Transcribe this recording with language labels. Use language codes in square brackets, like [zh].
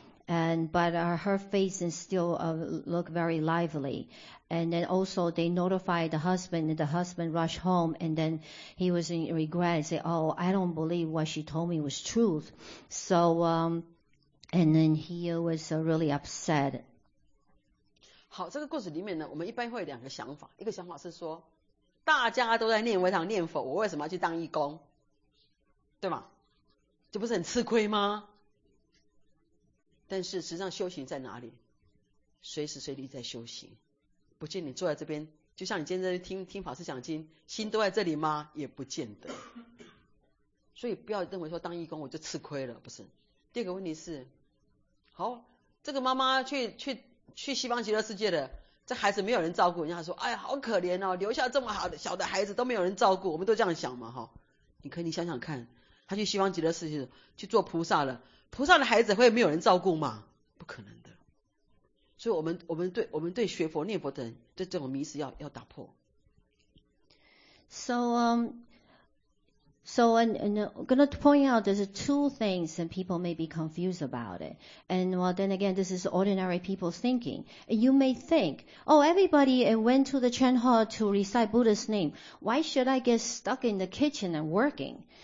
[en] But her face is still look very lively. And then also they notified the husband, and the husband rushed home, and then he was in regret, say, "Oh, I don't believe what she told me was truth." So, and then he was really upset. [zh] 好，这个故事里面呢，我们一般会有两个想法，一个想法是说，大家都在念佛堂念佛，我为什么要去当义工？对吗？这不是很吃亏吗？但是实际上修行在哪里？随时随地在修行，不见你坐在这边，就像你今天在听法师讲经，心都在这里吗？也不见得。所以不要认为说当义工我就吃亏了，不是。第二个问题是，好，这个妈妈去西方极乐世界的，这孩子没有人照顾，人家说哎呀好可怜哦，留下这么好的小的孩子都没有人照顾，我们都这样想嘛齁、哦。你想想看，他去西方极乐世界去做菩萨了，菩萨的孩子会没有人照顾吗？不可能的。所以我们对学佛念佛的人对这种迷思要打破。 [en] So and I'm going to point out there's two things that people may be confused about it. And well, then again, this is ordinary people's thinking. You may think, oh, everybody went to the Chan Hall to recite Buddha's name. Why should I get stuck in the kitchen and working?